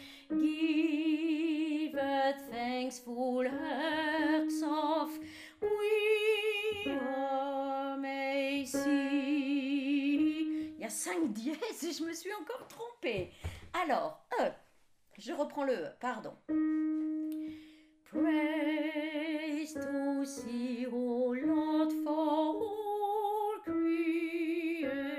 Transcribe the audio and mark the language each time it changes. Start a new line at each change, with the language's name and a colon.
English: Give a thankful hearts of we may see.
French: Il y a 5 dièses et je me suis encore trompée. Alors, je reprends le E, pardon.
English: Praise to thee, O Lord, for all creation.